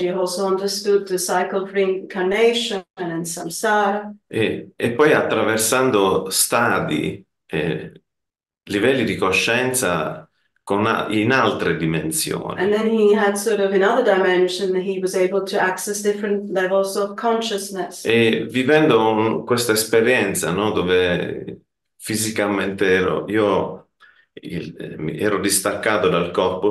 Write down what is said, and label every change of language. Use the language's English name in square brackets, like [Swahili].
[English] He also understood the cycle of reincarnation and samsara. [Italian] E poi attraversando stadi e livelli di coscienza in altre [English] And [Italian] dimensioni. [English] then he had sort of another dimension that he was able to access different levels of consciousness. [Italian] E vivendo questa esperienza, no, dove fisicamente ero distaccato dal corpo